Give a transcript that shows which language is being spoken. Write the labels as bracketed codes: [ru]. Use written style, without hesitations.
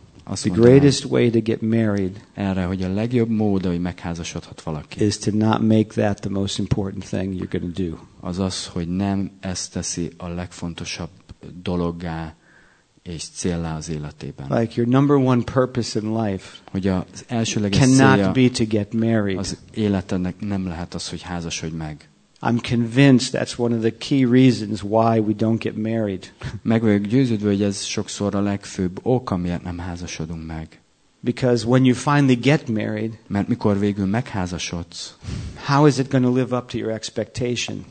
[hu] azt [en] the greatest way to get married, [hu] erre, hogy a legjobb mód, hogy megházasodhat valaki, [en] is to not make that the most important thing you're going to do. [hu] Az, hogy nem ezt teszi a legfontosabb dologgá és céllá az életében. [en] Like your number one purpose in life, [hu] hogy az elsőleges [en] cannot [hu] célja [en] be to get married. [hu] Az életednek nem lehet az, hogy házasodj meg. [en] I'm convinced that's one of the key reasons why we don't get married. [hu] Meg vagyok győződve, hogy ez sokszor a legfőbb ok, amiért nem házasodunk meg. [en] Because when you finally get married, [hu] mert mikor végül megházasodsz, [en] how is it going to live up to your expectation?